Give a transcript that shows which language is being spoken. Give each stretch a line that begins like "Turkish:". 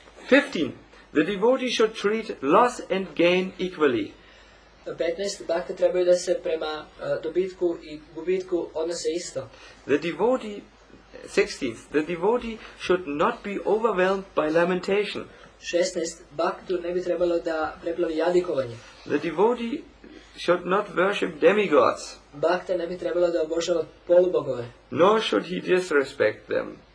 English: 15. The devotee should treat loss and gain equally.
Serbian: 15. Bhakta trebaju da se prema dobitku i gubitku odnose isto.
English: The devotee, 16. The devotee should not be overwhelmed by lamentation. 16.
Serbian: Bhaktu ne bi trebalo da preplavi jadikovanje.
English: The devotee should not worship demigods.
Serbian: Bhakta ne bi trebalo da obožava polubogove.
English: Nor should he disrespect them.